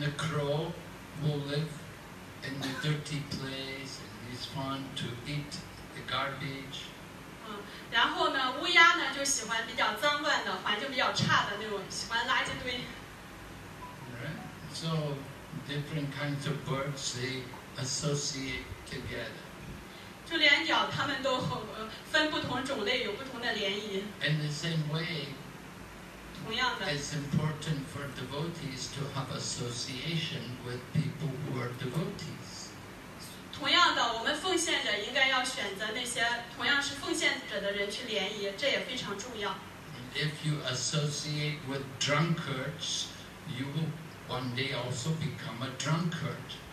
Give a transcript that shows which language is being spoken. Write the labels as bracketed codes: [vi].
[en] the crow will live in the dirty place, and he's fond to eat the garbage. [zh] 然后呢，乌鸦呢就喜欢比较脏乱的，环境比较差的那种，喜欢垃圾堆。 [en] Right. So different kinds of birds they associate together. [zh] 就连鸟，它们都分不同种类，有不同的联谊。 [en] In the same way, [zh] 同样的, [en] it's important for devotees to have association with people who are devotees. [zh] 同样的，我们奉献者应该要选择那些同样是奉献者的人去联谊，这也非常重要。 [en] If you associate with drunkards, you will one day also become a drunkard.